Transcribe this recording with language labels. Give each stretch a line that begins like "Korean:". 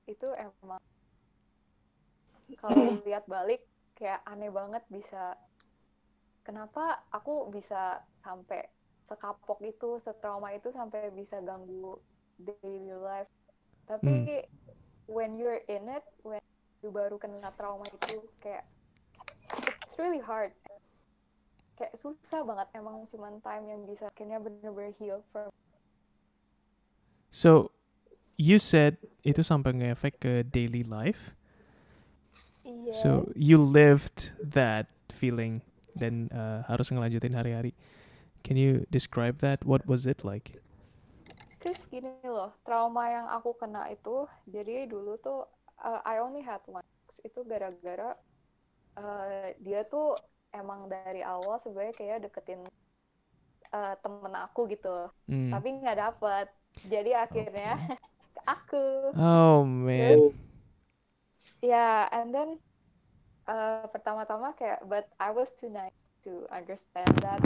Indonesian: Itu emang kalau lihat balik kayak aneh banget bisa kenapa aku bisa sampai sekapok itu, setrauma itu sampai bisa ganggu daily life.
English: Tapi when you're in it, when you
Indonesian: baru kena trauma itu kayak
English: it's really hard.
Indonesian: kayak susah banget emang cuman time yang bisa akhirnya benar-benar
English: heal from. So you said
Indonesian: itu sampai ngefek ke
English: daily life. Yes. So you lived that feeling then
Indonesian: harus ngelanjutin hari-hari.
English: Can you describe that? What was it like?
Indonesian: Terus gini loh, trauma yang aku kena itu, jadi dulu tuh
English: I only had one.
Indonesian: Itu gara-gara dia tuh emang dari awal sebenarnya kayak deketin temen aku gitu, tapi nggak dapet. Jadi akhirnya okay. aku.
English: Oh man. Ya, yeah, and then
Indonesian: pertama-tama kayak
English: but I was too naive to understand that.